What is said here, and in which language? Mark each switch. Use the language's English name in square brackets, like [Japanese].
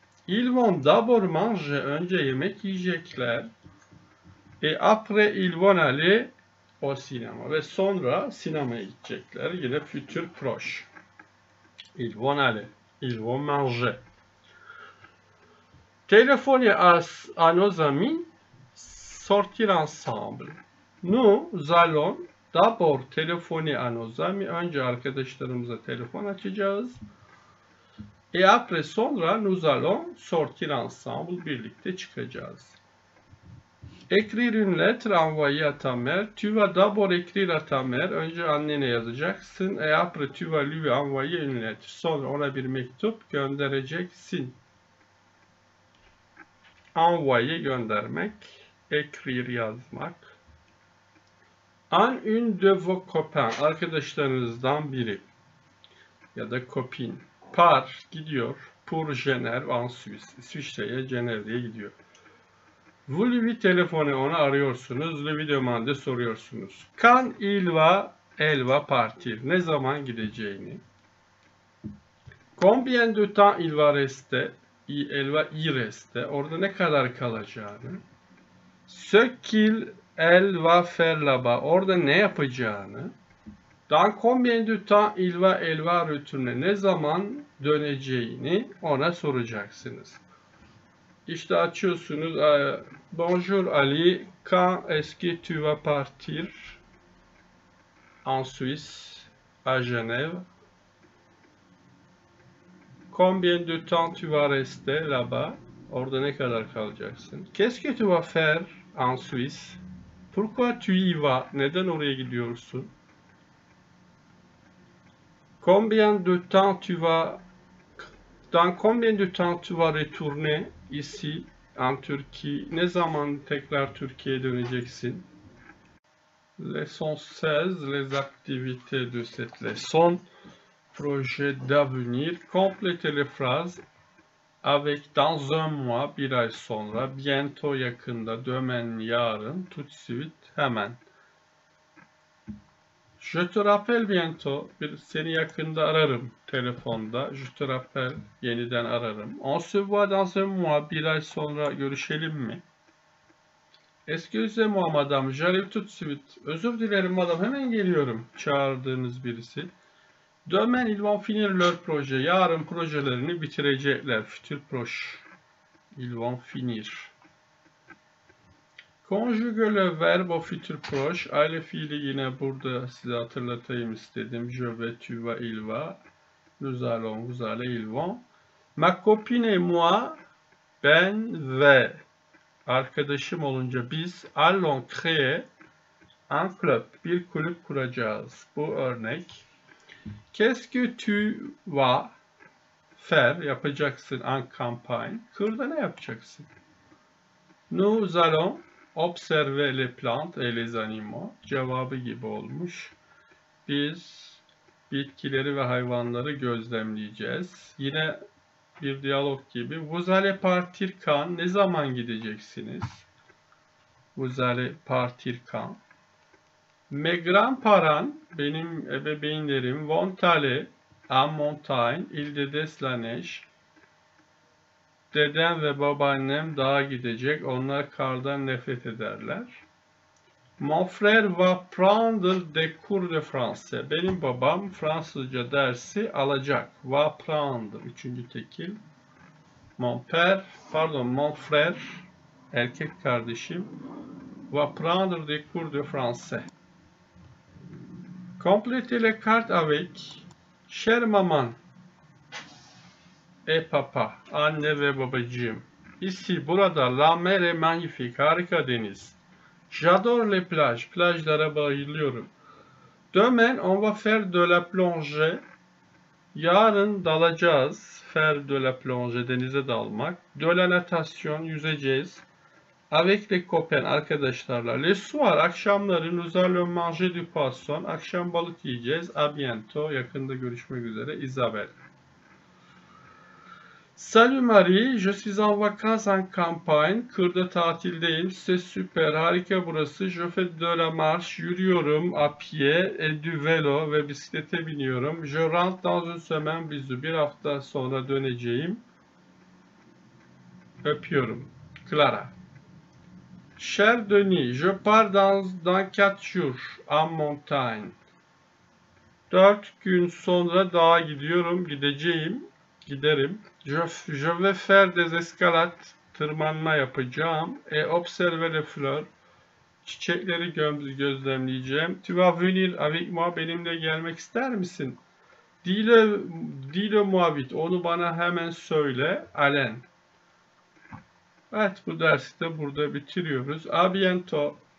[French] Ils vont d'abord manger, [Turkish] önce yemek yiyecekler. [French] Et après, ils vont aller au cinéma. Ve sonra sinemaya gidecekler. [Turkish] Yine [French] futur proche. Ils vont aller. Ils vont manger. Téléphone à nos amis. Sortir ensemble. Nous allons d'abord téléphoner à nos amis. [Turkish] Önce arkadaşlarımıza telefon açacağız. [French] Et après sonra nous allons sortir ensemble, [Turkish] birlikte çıkacağız. [French] Écrire une lettre, envoyer à ta mère. Tu vas d'abord écrire à ta mère. [Turkish] Önce annene yazacaksın. [French] Et après tu vas lui envoyer une lettre. [Turkish] Sonra ona bir mektup göndereceksin. [French] Envoyer [Turkish] göndermek. [French] Écrire [Turkish] yazmak. [French] Un de vos copains. [Turkish] Arkadaşlarınızdan biri. Ya da copine. Par gidiyor. [French] Pour Genève, en Suisse. [Turkish] İsviçre'ye, Genève'ye gidiyor. [French] Vous lui téléphonez, [Turkish] onu arıyorsunuz. [French] Le videomande [Turkish] soruyorsunuz. [French] Quand il va, elle va partir. [Turkish] Ne zaman gideceğini. [French] Combien de temps il va rester? Elle va y rester. [Turkish] Orada ne kadar kalacağını. [French] Ce qu'il elle va faire là-bas. [Turkish] Orada ne yapacağını. [French] Dans combien de temps il va elle va retourner? [Turkish] Ne zaman döneceğini ona soracaksınız. İşte açıyorsunuz. [French] Bonjour Ali. Quand est-ce que tu vas partir? En Suisse. À Genève. Combien de temps tu vas rester là-bas? [Turkish] Orada ne kadar kalacaksın? [French] Qu'est-ce que tu vas faire en Suisse? Pourquoi tu y vas? [Turkish] Neden oraya gidiyorsun? [French] Combien de temps tu vas... Dans combien de temps tu vas retourner ici en Turquie? [Turkish] Ne zaman tekrar Türkiye'ye döneceksin? [French] Leçon 16, les activités de cette leçon. Projet d'avenir. Complétez les phrases avec dans un mois, [Turkish] bir ay sonra, [French] bientôt, [Turkish] yakında, [French] demain, [Turkish] yarın, [French] tout de suite, [Turkish] hemen. [French] Je te rappelle bientôt, [Turkish] seni yakında ararım telefonda. [French] Je te rappelle, [Turkish] yeniden ararım. [French] On se voit dans un mois, [Turkish] bir ay sonra görüşelim mi? [French] Excusez-moi, madame, j'arrive tout de suite. [Turkish] Özür dilerim, madame, hemen geliyorum, çağırdığınız birisi. [French] Demain, ils vont finir leur projet. [Turkish] Yarın projelerini bitirecekler. Futur proche. [French] Ils vont finir. Conjugue le verbe au futur proche. [Turkish] Aile fiili yine burada size hatırlatayım istedim. [French] Je vais, tu vas, il va. Nous allons, vous allez, ils vont. Ma copine et moi, [Turkish] ben ve. Arkadaşım olunca biz [French] allons créer un club. [Turkish] Bir kulüp kuracağız. Bu örnek. [French] Qu'est-ce que tu vas faire? [Turkish] Yapacaksın [French] en campagne. [Turkish] Kırda ne yapacaksın? [French] Nous allons observer les plantes et les animaux. [Turkish] Cevabı gibi olmuş. Biz bitkileri ve hayvanları gözlemleyeceğiz. Yine bir diyalog gibi. [French] Vous allez partir quand? [Turkish] Ne zaman gideceksiniz? [French] Vous allez partir quand? Mes grands-parents, [Turkish] benim ebeveynlerim, [French] vont aller en montagne, il déteste la neige. [Turkish] Dedem ve babaannem dağa gidecek, onlar kardan nefret ederler. [French] Mon frère va prendre des cours de français. [Turkish] Benim babam Fransızca dersi alacak. [French] Va prendre, [Turkish] üçüncü tekil. [French] Mon frère, [Turkish] erkek kardeşim, [French] va prendre des cours de français. Complétez les cartes avec cher maman et papa, [Turkish] anne ve babacığım. [French] Ici, [Turkish] burada, [French] la mer est magnifique, [Turkish] harika deniz. [French] J'adore les plages, [Turkish] plajlara bayılıyorum. [French] Demain, on va faire de la plongée. [Turkish] Yarın dalacağız, [French] faire de la plongée, [Turkish] denize dalmak. [French] De la natation, [Turkish] yüzeceğiz. [French] Avec les copains, [Turkish] arkadaşlarla. [French] Le soir, [Turkish] akşamları, [French] nous allons manger du poisson. [Turkish] Akşam balık yiyeceğiz. [French] A bientôt, [Turkish] yakında görüşmek üzere. [French] Isabelle. Salut Marie, je suis en vacances en campagne. [Turkish] Kırda tatildeyim. [French] C'est super, [Turkish] harika burası. [French] Je fais de la marche, [Turkish] yürüyorum. [French] A pied et du vélo [Turkish] ve bisiklete biniyorum. [French] Je rentre dans une semaine, bisous. [Turkish] Bir hafta sonra döneceğim. Öpüyorum. Clara. [French] Cher Denis, je pars dans 4 jours en montagne. [Turkish] 4 gün sonra dağa gidiyorum, gideceğim, giderim. [French] Je vais faire des escalades, [Turkish] tırmanma yapacağım. [French] Et observer les fleurs, [Turkish] çiçekleri gözlemleyeceğim. [French] Tu vas venir avec moi, [Turkish] benimle gelmek ister misin? [French] Dis-le moi vite, [Turkish] onu bana hemen söyle, Alain. Evet, bu dersi de burada bitiriyoruz. [French] A bientôt.